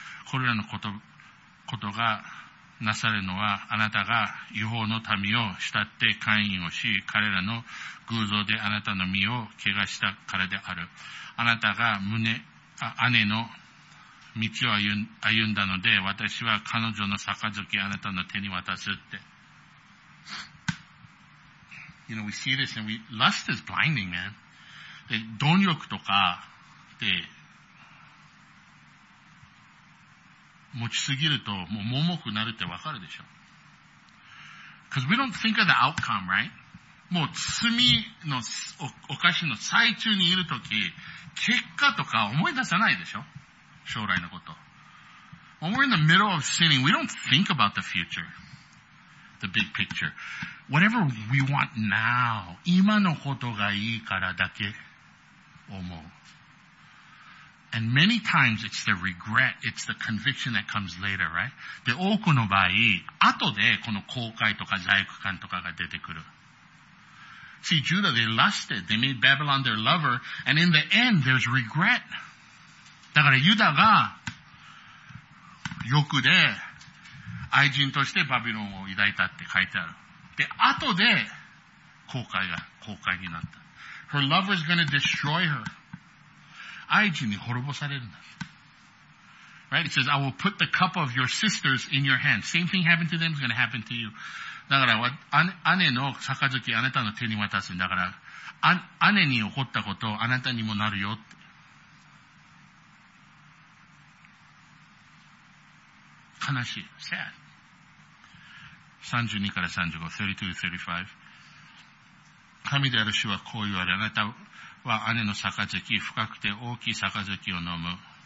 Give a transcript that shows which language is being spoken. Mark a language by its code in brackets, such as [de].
[ja] これらのことがなさるのは、あなたが違法の民を慕って姦淫をし、彼らの偶像であなたの身を汚したからである。あなたが姉の道を歩んだので、私は彼女の杯あなたの手に渡すって。 [en] You know, we see this and lust is blinding, man. [ja] で、貪欲とか、で、持ちすぎると、もう盲目になるってわかるでしょ。 [en] Because we don't think of the outcome, right? [ja] もう罪の、お菓子の最中にいるとき、結果とか思い出さないでしょ。将来のこと。 [en] When we're in the middle of sinning, we don't think about the future. The big picture. Whatever we want now, [ja] 今のことがいいからだけ思う。 [en] And many times it's the regret, it's the conviction that comes later, right? [ja] で、多くの場合、後でこの後悔とか罪悪感とかが出てくる。 [en] See, Judah, they lusted. They made Babylon their lover. And in the end, there's regret. [ja] だからユダが欲で愛人としてバビロンを抱いたって書いてある。で、後で後悔になった。 [en] Her lover is gonna destroy her. [ja] 愛人に滅ぼされるんだ。 [en] Right? It says, I will put the cup of your sisters in your hand. Same thing happened to them is gonna happen to you. [ja] だから、姉の杯、あなたの手に渡すんだから、姉に起こったことあなたにもなるよって。悲しい。 [en] Sad. [ja] 32-35 32-35神である主はこう言われ、あなたは姉の杯、深くて大きい杯を飲む。